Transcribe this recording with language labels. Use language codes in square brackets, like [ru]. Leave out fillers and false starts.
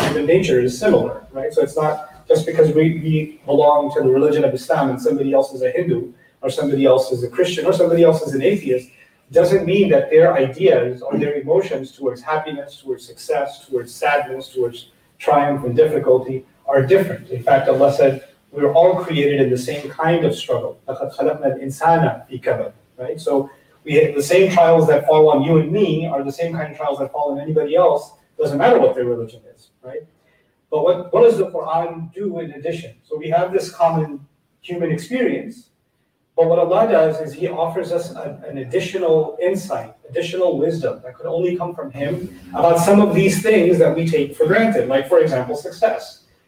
[en] Human nature is similar, right? So it's not just because we belong to the religion of Islam and somebody else is a Hindu or somebody else is a Christian or somebody else is an atheist, doesn't mean that their ideas or their emotions towards happiness, towards success, towards sadness, towards triumph and difficulty are different. In fact, Allah said, we're all created in the same kind of struggle. [ar] لَقَدْ خَلَقْنَا الْإِنسَانَ بِكَبَدْ [en] Right? So we have the same trials that fall on you and me are the same kind of trials that fall on anybody else. Doesn't matter what their religion is, right? But what does the Quran do in addition? So we have this common human experience, but what Allah does is He offers us an additional insight, additional wisdom that could only come from Him about some of these things that we take for granted, like for example, success.